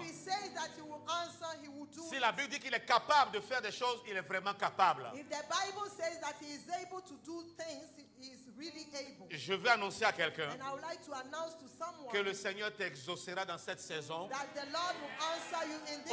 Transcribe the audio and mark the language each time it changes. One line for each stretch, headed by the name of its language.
English: If he says that he will answer, he will do.
French: Si la Bible dit qu'il est capable de faire des choses, il est vraiment capable.
English: If the Bible says that he is able to do things, he is really able.
French: Je veux annoncer à quelqu'un,
English: and I would like to announce to someone,
French: que le Seigneur t'exaucera dans cette saison.
English: That the Lord will answer you in this